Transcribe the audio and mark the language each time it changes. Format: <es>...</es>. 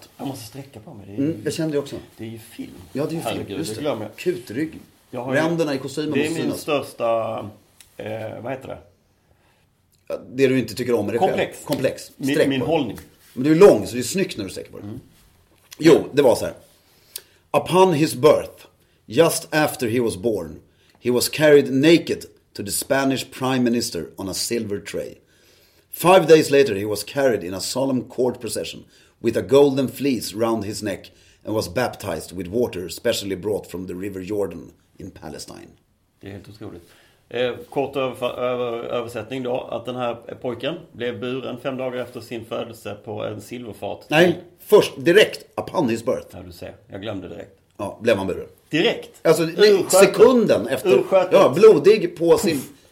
<sv>Ja, jag måste sträcka på mig. Det ju, jag kände det också. Det är ju film. Ja, det är ju film. Herregud, just det. Glömmer jag. Kutrygg. Ränderna i kostymen. Det är min största... vad heter det? Det du inte tycker om är det komplex. Fel. Komplex. Min hållning. Men du är lång, så det är snyggt när du sträcker på det. Mm. Jo, det var så här.</sv> <en>Upon his birth, just after he was born, he was carried naked to the Spanish prime minister on a silver tray. 5 days later he was carried in a solemn court procession with a golden fleece round his neck and was baptized with water specially brought from the river Jordan in Palestine.</en> <sv>Det är helt otroligt. Kort översättning då, att den här pojken blev buren 5 dagar efter sin födelse på en silverfat. Nej, först direkt</sv> <en>upon his birth.</en> <sv>Ja, du ser, jag glömde direkt. Ja, blev han buren. Direkt? Alltså sekunden efter. Urskötet. Ja, blodig på sin</sv>